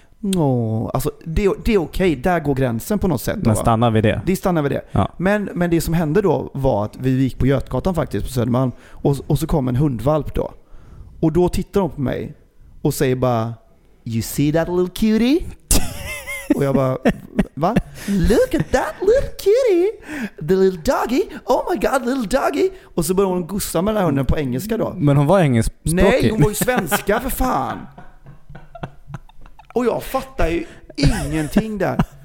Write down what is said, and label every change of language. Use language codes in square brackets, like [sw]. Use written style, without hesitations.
[sv] No, alltså det är okej, där går gränsen på något sätt. Men stannar vi det? Det stannar vi det. Ja. Men det som hände då var att vi gick på Götgatan faktiskt på Södermalm, och så kom en hundvalp då. Och då tittar hon på mig och säger bara, [en] "You see that little cutie?" [sv] Och jag bara, "Va? [en] Look at that little cutie. The little doggy. Oh my god, little doggy." [sv] Och så började hon gussa med den här hunden på engelska då. Men hon var engelskspråkig. Nej, hon var ju svenska för fan. Och jag fattar ju ingenting där.